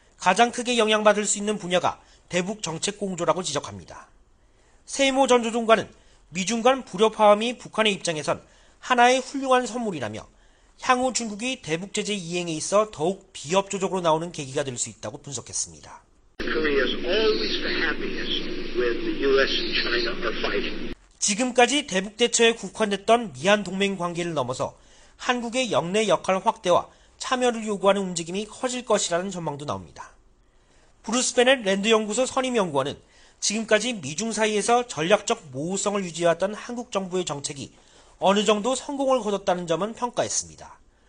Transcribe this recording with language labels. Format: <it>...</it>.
<ko>가장 크게 영향받을 수 있는 분야가 대북 정책 공조라고 지적합니다. 세이모 전 조종관은 미중 간 불협 화합이 북한의 입장에선 하나의 훌륭한 선물이라며 향후 중국이 대북 제재 이행에 있어 더욱 비협조적으로 나오는 계기가 될 수 있다고 분석했습니다.</ko> <en>Korea's always the happiest when the US and China are fighting.</en> <ko>지금까지 대북 대처에 국한됐던 미한 동맹 관계를 넘어서 한국의 역내 역할 확대와 참여를 요구하는 움직임이 커질 것이라는 전망도 나옵니다. 브루스 베넷 랜드 연구소 선임 연구원은 지금까지 미중 사이에서 전략적 모호성을 유지해왔던 한국 정부의 정책이 어느 정도 성공을 거뒀다는 점은 평가했습니다.</ko>